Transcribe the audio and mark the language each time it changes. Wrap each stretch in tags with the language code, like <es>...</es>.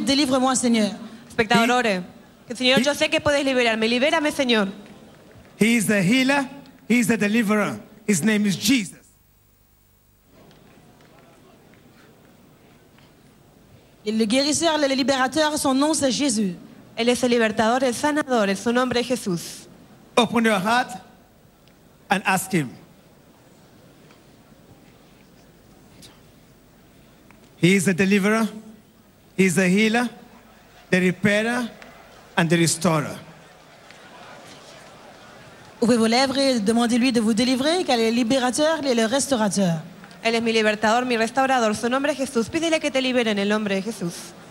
<fr>Délivre-moi, Seigneur.</fr> <es>Spectadores. Que Señor, yo sé que puedes liberarme. Libérame, Señor.</es> <en>He is the healer. He is the deliverer. His name is Jesus.</en> <fr>Le guérisseur, le libérateur, son nom c'est Jésus.</fr> <es>Él es el libertador, el sanador, su nombre es Jesús.</es> <en>Open your heart and ask him. He is a deliverer, he is a healer, the repairer and the restorer.</en> <fr>Ouvrez vos lèvres et demandez-lui de vous délivrer, car il est libérateur et le restaurateur.</fr> <es>Él es mi libertador, mi restaurador. Su nombre es Jesús. Pídele que te libere en el nombre de Jesús.</es>